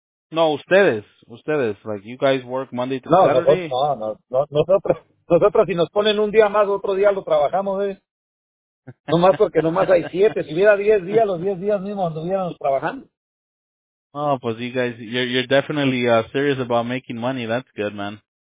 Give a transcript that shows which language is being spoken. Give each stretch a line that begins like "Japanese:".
English: No, ustedes, like you guys work Monday through Saturday.
Spanish: Nosotros si nos ponen un día más, otro día lo trabajamos, No más porque nomás hay 7, si hubiera 10 días, los 10 días mismos estuviéramos trabajando.
English: Oh, pues you guys, you're definitely serious about making money, that's good, man.